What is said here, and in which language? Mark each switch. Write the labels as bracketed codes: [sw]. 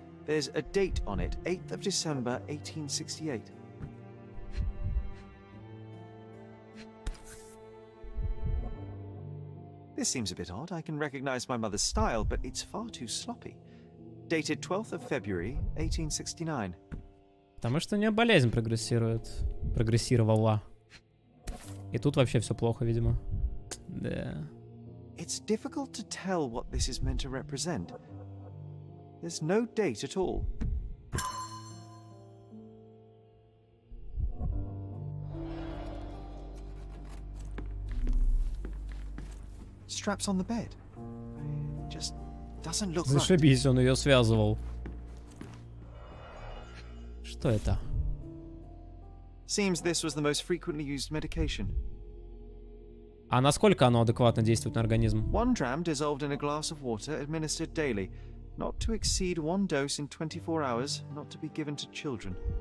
[en] There's a date on it, 8th of December, 1868. This seems a bit odd. I can recognize my mother's style, but it's far too sloppy. Dated 12th of February, 1869. [ru] Потому что у нее болезнь прогрессирует. Прогрессировала. И тут вообще все плохо, видимо. Да. [en] It's difficult to tell what this is meant to represent. There's no date at all. Straps on the bed. Just doesn't look right. [ru] Зашибись, он ее связывал. Что это? [en] Seems this was the most frequently used medication. [ru] А насколько оно адекватно действует на организм? [en] One dram dissolved in a glass of water administered daily, not to exceed one dose in 24 hours, not to be given to children.